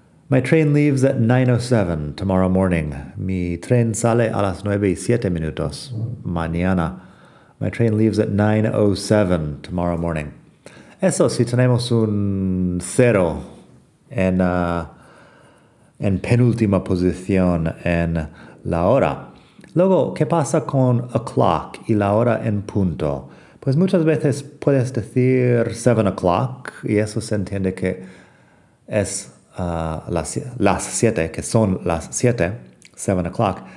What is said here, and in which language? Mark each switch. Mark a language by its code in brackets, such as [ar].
[en] My train leaves at 9:07 tomorrow morning. [es] Mi tren sale a las 9:07 mañana. [en] My train leaves at 9:07 tomorrow morning. [es] Eso si tenemos un cero en penúltima posición en la hora. Luego, ¿qué pasa con o'clock y la hora en punto? Pues muchas veces puedes decir 7 o'clock y eso se entiende que es las 7, que son las 7, 7 o'clock.